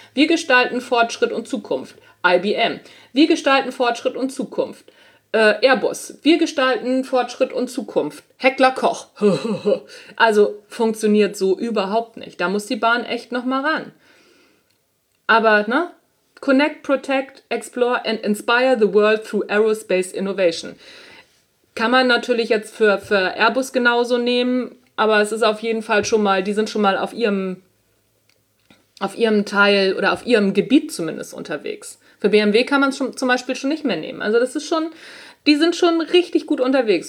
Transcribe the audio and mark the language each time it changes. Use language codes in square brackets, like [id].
[de] Wir gestalten Fortschritt und Zukunft, IBM. Wir gestalten Fortschritt und Zukunft, Airbus. Wir gestalten Fortschritt und Zukunft, Heckler Koch. Also funktioniert so überhaupt nicht. Da muss die Bahn echt nochmal ran. Aber, ne? [en] Connect, Protect, Explore and Inspire the World through Aerospace Innovation. [de] Kann man natürlich jetzt für Airbus genauso nehmen, aber es ist auf jeden Fall schon mal, die sind schon mal auf ihrem Teil oder auf ihrem Gebiet zumindest unterwegs. Für BMW kann man es zum Beispiel schon nicht mehr nehmen. Also das ist schon, die sind schon richtig gut unterwegs.